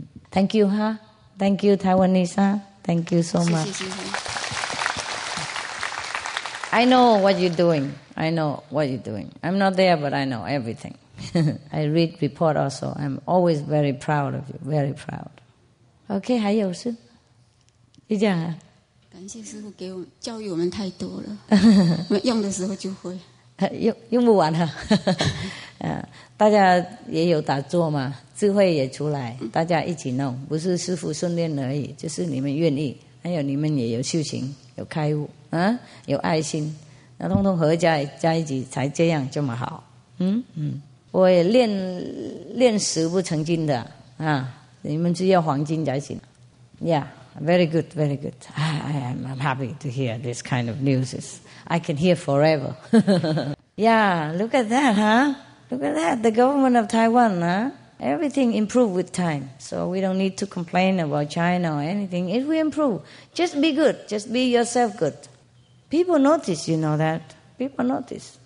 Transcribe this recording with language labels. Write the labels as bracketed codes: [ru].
[en] Thank you, huh? Thank you, Taiwanese, huh? Thank you so much. I know what you're doing. I know what you're doing. I'm not there, but I know everything. I read report also. I'm always very proud of you, very proud. [zh] OK, 还有事？就这样啊。感谢师父教育我们太多了，用的时候就会。用不完哈、啊，大家也有打坐嘛，智慧也出来，大家一起弄，不是师父训练而已，就是你们愿意，还有你们也有修行，有开悟，啊，有爱心，那通通合加一起才这样这么好，嗯嗯，我也练石不成金的啊，你们只要黄金才行 ，Yeah。 [en] Very good, very good. I'm happy to hear this kind of news. I can hear forever. Yeah, look at that, huh? Look at that, the government of Taiwan, huh? Everything improved with time. So we don't need to complain about China or anything. If we improve, just be good. Just be yourself good. People notice, you know that. People notice.